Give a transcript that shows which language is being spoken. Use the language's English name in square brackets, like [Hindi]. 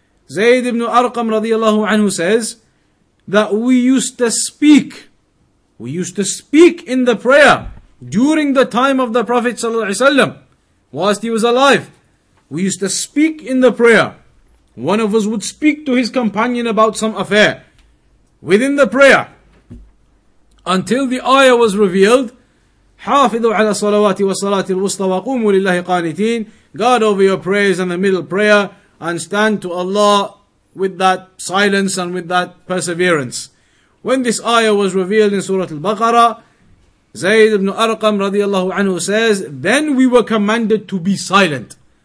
[English] Zayd ibn Arqam radiyallahu anhu says that we used to speak in the prayer during the time of the Prophet sallallahu alaihi wasallam, whilst he was alive. We used to speak in the prayer. One of us would speak to his companion about some affair within the prayer until the ayah was revealed. [Arabic] حافظوا على الصلوات والصلاة الوسطى وقوموا لله قانتين. [English] Guard over your prayers and the middle prayer and stand to Allah with that silence and with that perseverance. When this ayah was revealed in Surah Al-Baqarah, Zayd ibn Arqam radiallahu anhu says, then we were commanded to be silent.